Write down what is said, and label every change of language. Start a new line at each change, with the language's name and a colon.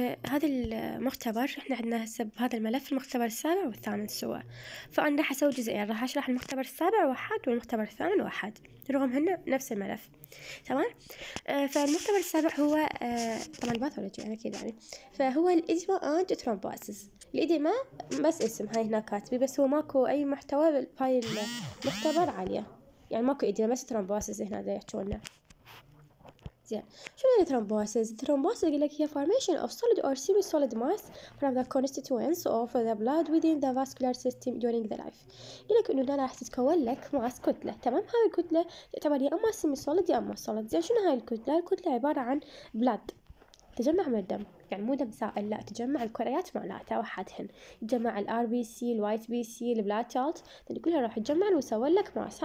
Arabic: هذا المختبر احنا عندنا هسه بهذا الملف المختبر السابع والثامن سوا، فانا راح اسوي جزئين، راح اشرح المختبر السابع واحد والمختبر الثامن واحد رغم هن نفس الملف، تمام؟ فالمختبر السابع هو طبعا الباثولوجي يعني كذا، يعني فهو الإزما اند ترومبوسيس. الإديما بس اسم، هاي هنا كاتبي، بس هو ماكو اي محتوى بهاي المختبر عاليه، يعني ماكو إديما بس ترومبوسيس هنا يحكونا. شنو هي الثرومبوسيس؟ الثرومبوسيس يقول لك هي
English: formation of solid or semi-solid mass from the constituents of the blood within the vascular system during the life.
Arabic: يقول لك انه هنا راح تتكون لك ماس، كتلة، تمام؟ هاي الكتلة تعتبر يا اما semi-solid يا اما solid. زين شنو هاي الكتلة؟ الكتلة عبارة عن blood، تجمع من الدم، يعني مو دم سائل، لا، تجمع الكريات مالتها وحدهن، تجمع ال RBC، ال White BC، ال Platelet، يعني كلها راح تجمع وتسوي لك ماس.